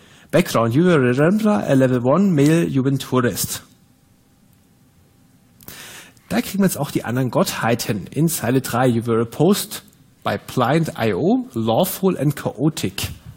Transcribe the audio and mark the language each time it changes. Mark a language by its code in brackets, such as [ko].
[en] Background, you were a rambler, a level 1, male, human tourist. [de] Da kriegen wir jetzt auch die anderen Gottheiten. In Zeile 3, [en] you were opposed by blind IO, lawful and chaotic.